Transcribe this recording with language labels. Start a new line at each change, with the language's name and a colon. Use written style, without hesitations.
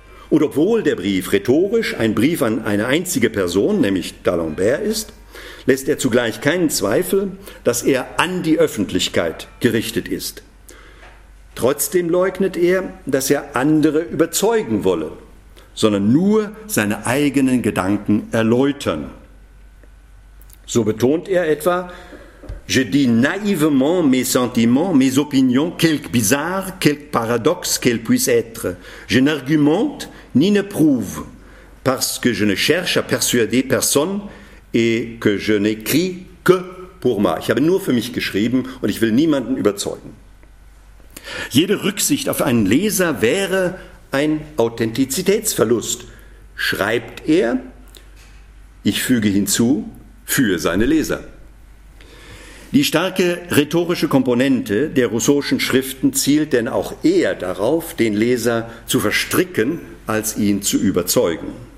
German: Und obwohl der Brief rhetorisch ein Brief an eine einzige Person, nämlich D'Alembert, ist, lässt er zugleich keinen Zweifel, dass er an die Öffentlichkeit gerichtet ist. Trotzdem leugnet er, dass er andere überzeugen wolle, sondern nur seine eigenen Gedanken erläutern. So betont er etwa,
French: je dis naïvement mes sentiments, mes opinions, quelque bizarre, quelque paradoxe qu'elles puissent être. Je n'argumente ni ne prouve, parce que je ne cherche à persuader personne, et que je n'écris que pour moi.
German: Ich habe nur für mich geschrieben und ich will niemanden überzeugen. Jede Rücksicht auf einen Leser wäre ein Authentizitätsverlust, schreibt er, ich füge hinzu, für seine Leser. Die starke rhetorische Komponente der rousseauischen Schriften zielt denn auch eher darauf, den Leser zu verstricken, als ihn zu überzeugen.